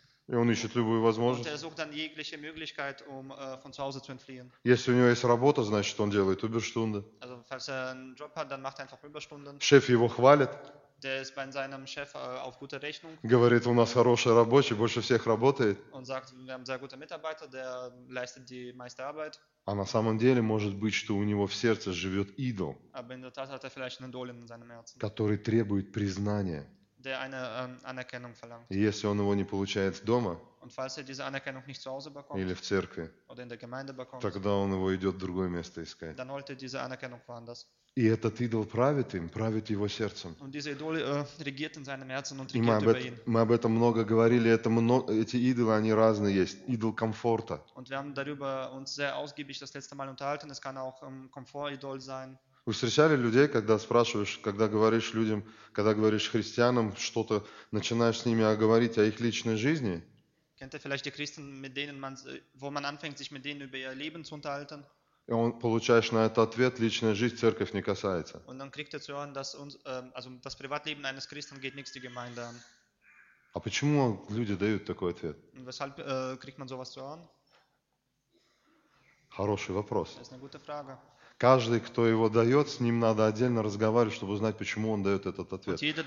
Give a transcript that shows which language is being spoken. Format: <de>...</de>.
<ru>И он ищет любую возможность. Если у него есть работа, значит, он делает Überstunden.</ru> <de>Also, falls er einen Job hat, dann macht er einfach Überstunden.</de> <ru>Chef его хвалит.</ru> <de>Der ist bei seinem Chef auf gute Rechnung.</de> <ru>Говорит, у нас хороший рабочий, больше всех работает.</ru> <de>Und sagt, wir haben sehr gute Mitarbeiter, der leistet die meiste Arbeit.</de> <ru>А на самом деле может быть, что у него в сердце живет идол.</ru> <de>Aber in der Tat hat er vielleicht einen Idol in seinem Herzen.</de> <ru>Который требует признания.</ru> <de>Der eine Anerkennung verlangt.</de> <ru>Если он его не получает дома,</ru> <de>und falls er diese Anerkennung nicht zu Hause bekommt,</de> <ru>или в церкви,</ru> <de>oder in der Gemeinde bekommt,</de> <ru>тогда он его идет в другое место искать.</ru> <de>Dann holt er diese Anerkennung woanders.</de> <ru>И этот идол правит им, правит его сердцем.</ru> <de>Und dieser Idol regiert in seinem Herzen und regiert über ihn.</de> <ru>Мы об этом много говорили, эти идолы, они разные есть. Идол комфорта.</ru> <de>Und wir haben darüber uns sehr ausgiebig das letzte Mal unterhalten. Es kann auch Komfort-Idol sein.</de> <ru>Вы встречали людей, когда спрашиваешь, когда говоришь людям, когда говоришь христианам что-то, начинаешь с ними говорить о их личной жизни?</ru> <de>Kennt ihr vielleicht die Christen, mit denen man, wo man anfängt, sich mit denen über ihr Leben zu unterhalten?</de> <ru>И он получаешь на это ответ: личная жизнь церковь не касается.</ru> <de>Und dann kriegt er zu hören, dass uns, also das Privatleben eines Christen geht nichts die Gemeinde an.</de> <ru>А почему люди дают такой ответ?</ru> <de>Und weshalb kriegt man sowas zu hören?</de> <ru>Хороший вопрос.</ru> <de>Das ist eine gute Frage.</de> <ru>Каждый, кто его дает, с ним надо отдельно разговаривать, чтобы узнать, почему он дает этот ответ.</ru>